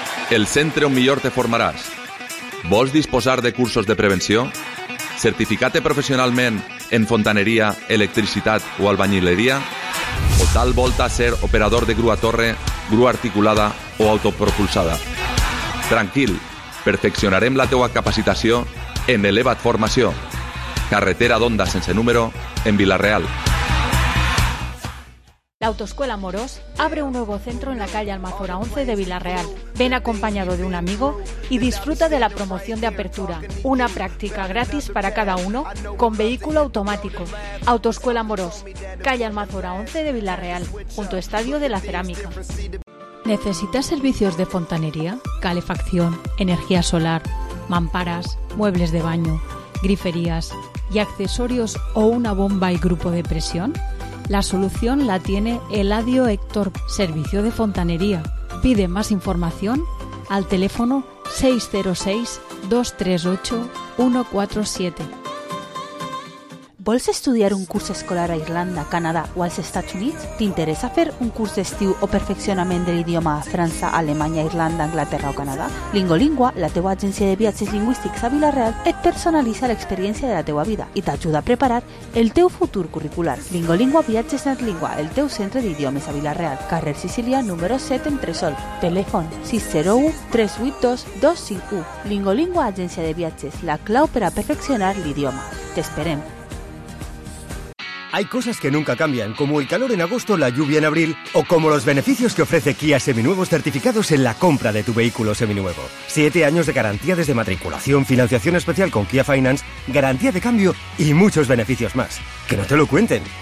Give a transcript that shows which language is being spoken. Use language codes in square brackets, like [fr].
[ca] El centre on millor te formaràs. ¿Vols disposar de cursos de prevenció? Certificate professionalment en fontaneria, electricitat o albañilería, o tal volta a ser operador de grúa torre, grúa articulada o autopropulsada. Tranquil, perfeccionarem la teua capacitació en Elevat Formació. Carretera d'Onda sense número, en Villarreal. [es] La Autoescuela Morós abre un nuevo centro en la calle Almazora 11 de Villarreal. Ven acompañado de un amigo y disfruta de la promoción de apertura. Una práctica gratis para cada uno con vehículo automático. Autoescuela Morós, calle Almazora 11 de Villarreal, junto a Estadio de la Cerámica. ¿Necesitas servicios de fontanería, calefacción, energía solar, mamparas, muebles de baño, griferías y accesorios o una bomba y grupo de presión? La solución la tiene Eladio Héctor, servicio de fontanería. Pide más información al teléfono 606-238-147. [ca] ¿Vols estudiar un curs escolar a Irlanda, Canadà o als Estats Units? T'interessa fer un curs d'estiu o perfeccionament de l'idioma a França, Alemanya, Irlanda, Anglaterra o Canadà? Lingolingua, la teua agència de viatges lingüístics a Villarreal, et personalitza l'experiència de la teua vida i t'ajuda a preparar el teu futur curricular. Lingolingua Viatges Netlingua, el teu centre d'idiomes a Villarreal. Carrer Sicília, número 7, Entresol. Telèfon 601-382-251. Lingolingua, agència de viatges, la clau per a perfeccionar l'idioma. T'esperem. [es] Hay cosas que nunca cambian, como el calor en agosto, la lluvia en abril, o como los beneficios que ofrece Kia Seminuevos certificados en la compra de tu vehículo seminuevo. 7 años de garantía desde matriculación, financiación especial con Kia Finance, garantía de cambio y muchos beneficios más. ¡Que no te lo cuenten!